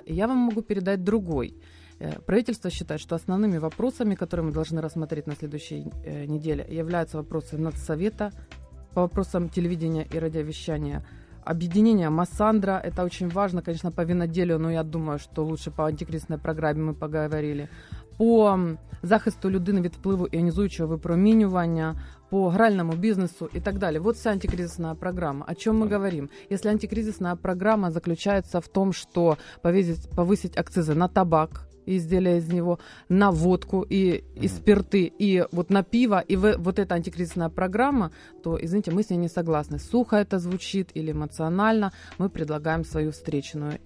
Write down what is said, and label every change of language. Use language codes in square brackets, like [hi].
[ru] И я вам могу передать другой. Правительство считает, что основными вопросами, которые мы должны рассмотреть на следующей неделе, являются вопросы Нацсовета по вопросам телевидения и радиовещания, объединения Массандра. Это очень важно, конечно, по виноделию, но я думаю, что лучше по антикризисной программе мы поговорили. [uk] По захисту людини від впливу іонізуючого випромінювання, по гральному бізнесу і так далі. Вот вся антикризисна програма. О чому ми говоримо? Якщо антикризисна програма заключається в тому, що повисить акцизи на табак, [ru] и изделия из него, на водку и спирты, и вот на пиво, и вот эта антикризисная программа, то, извините, мы с ней не согласны. Сухо это звучит или эмоционально, мы предлагаем свою встречную.